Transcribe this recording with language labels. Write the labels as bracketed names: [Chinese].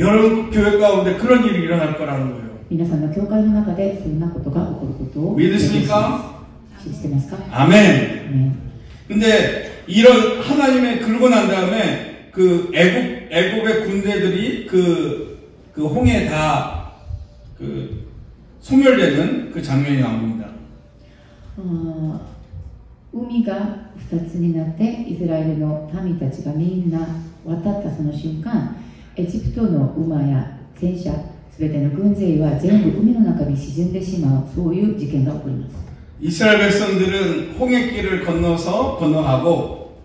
[Korean] 여러분 교회 가운데 그런 일이 일어날 거라는 거예요. [Japanese] 皆さんの教会の中でそんなことが起こることを [Korean] 믿으십니까? 믿으십니까? 아멘. 근데 이런 하나님의 긁고 난 다음에 그 애굽의 군대들이 그 홍해 다 그 소멸되는 그 장면이 나옵니다. [Japanese] 海が 2つになって 이스라엘の民たちがみんな渡ったその瞬間 エジプトの馬や戦車 全ての軍勢は全部海の中に沈んでしまう、そういう事件が起こります。 [Korean] 이스라엘 백성들은 홍해길을 건너서 건너가고